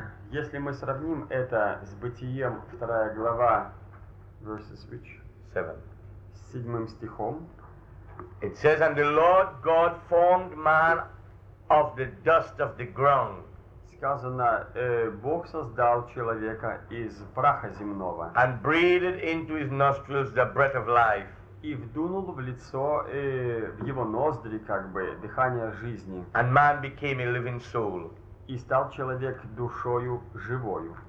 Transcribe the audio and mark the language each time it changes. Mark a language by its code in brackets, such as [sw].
[ru] если мы сравним это с Бытием, 2 глава, [en] verses which? 7. [ru] С 7 стихом. [en] It says, and the Lord God formed man of the dust of the ground. [ru] Сказано, Бог создал человека из праха земного. [en] And breathed into his nostrils the breath of life. [ru] И вдунул в лицо, в его ноздри, как бы, дыхание жизни. [en] And man became a living soul. [ru] И стал человек душою живою.